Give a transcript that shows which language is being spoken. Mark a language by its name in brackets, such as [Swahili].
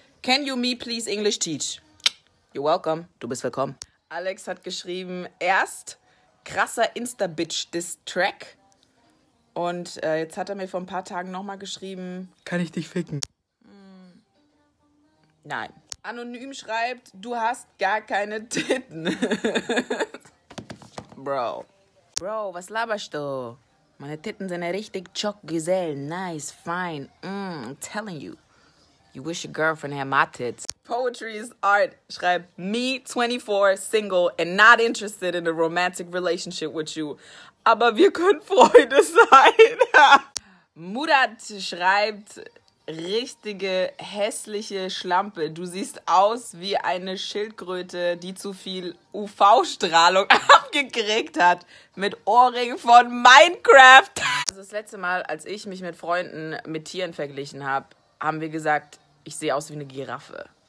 [English] Can you me please English teach? You're welcome. [German] Du bist willkommen. Alex hat geschrieben, erst krasser Insta-Bitch-Diss-Track. Und jetzt hat er mir vor ein paar Tagen nochmal geschrieben. Kann ich dich ficken? Nein. Anonym schreibt, du hast gar keine Titten. Bro. Bro, was laberst du? Meine Titten sind ja richtig chockgesell. [English] Nice, fine. I'm telling you. You wish your girlfriend had my tits. Poetry is art. [German] Schreibt, [English] me 24, single and not interested in a romantic relationship with you. [German] Aber wir können Freunde sein. Murat schreibt, richtige hässliche Schlampe. Du siehst aus wie eine Schildkröte, die zu viel UV-Strahlung abgekriegt hat. Mit Ohrring von Minecraft. Also das letzte Mal, als ich mich mit Freunden mit Tieren verglichen habe, haben wir gesagt, ich sehe aus wie eine Giraffe.